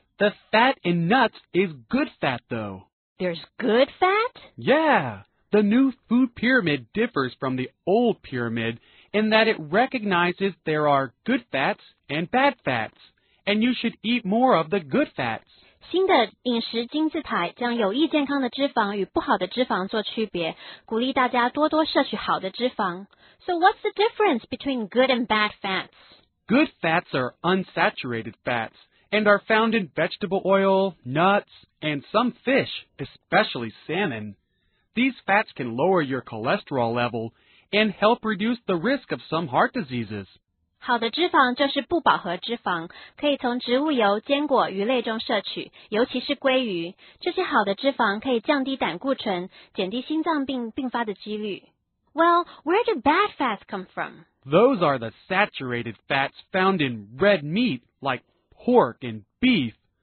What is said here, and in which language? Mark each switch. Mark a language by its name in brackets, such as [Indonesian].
[English] The fat in nuts is good fat, though. There's good fat? Yeah. The new food pyramid differs from the old pyramid in that it recognizes there are good fats and bad fats, and you should eat more of the good fats. [Chinese] 新的饮食金字塔将有益健康的脂肪与不好的脂肪做区别，鼓励大家多多摄取好的脂肪。 [English] So what's the difference between good and bad fats? Good fats are unsaturated fats and are found in vegetable oil, nuts, and some fish, especially salmon. These fats can lower your cholesterol level and help reduce the risk of some heart diseases. [Chinese] 好的脂肪就是不饱和脂肪，可以从植物油、坚果、鱼类中摄取，尤其是鲑鱼。这些好的脂肪可以降低胆固醇，减低心脏病并发的几率。 [English] Well, where do bad fats come from? Those are the saturated fats found in red meat, like pork and beef.